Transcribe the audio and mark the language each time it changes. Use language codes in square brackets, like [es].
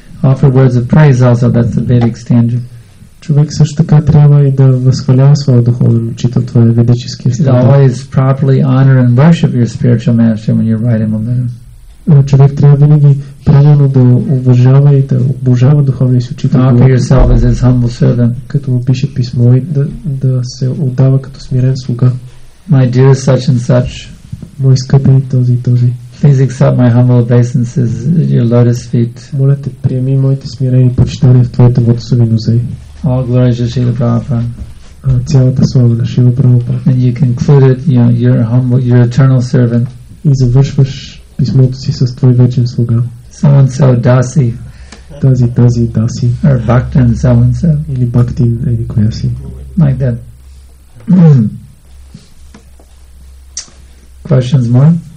[en] Offer words of praise also, that's the Vedic standard. [bg] Човек също така трябва и да възхвалява своя духовен учител, това е ведически стандарт. [en] You always properly honor and worship your spiritual master when you're writing a letter. [bg] Човек трябва винаги правилно да уважава и да обожава духовния си учител. [en] Offer yourself as his humble servant. [bg] Като му пише писмо и да се отдава като смирен слуга. [en] My dear such and such, [bg] мой скъпи този. [en] Please accept my humble obeisances at your lotus feet. [bg] Моля те, приеми моите смирени почитания в твоите лотосови нозе. [en] All glories to Srila Prabhupada. [bg] Цялата слава на Шрила Прабхупада. [en] And you conclude it, you know, your humble, your eternal servant. [bg] И завършваш писмото си с твой вечен слуга. [en] So-and-so Dasi. [bg] Тази Dasi. [en] Or Bhaktin so-and-so. [bg] Или Bhaktin или коя си. [en] Like that. Questions more?